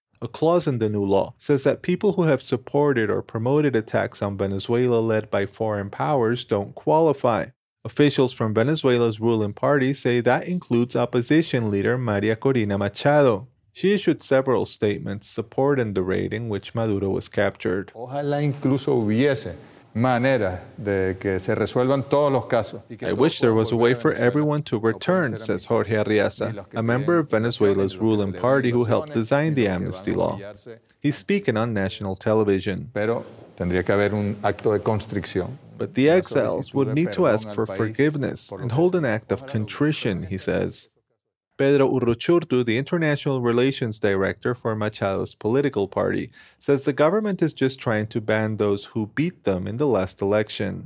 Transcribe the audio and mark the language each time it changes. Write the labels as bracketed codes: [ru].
[en] A clause in the new law says that people who have supported or promoted attacks on Venezuela led by foreign powers don't qualify. Officials from Venezuela's ruling party say that includes opposition leader Maria Corina Machado. She issued several statements supporting the raid in which Maduro was captured. [es] Ojalá incluso hubiese manera de que se resuelvan todos los casos. [en] I wish there was a way for everyone to return, says Jorge Arriaza, a member of Venezuela's ruling party who helped design the amnesty law. He's speaking on national television. [es] Pero tendría que haber un acto de constricción. [en] But the exiles would need to ask for forgiveness and hold an act of contrition, he says. Pedro Urruchurtu, the international relations director for Machado's political party, says the government is just trying to ban those who beat them in the last election.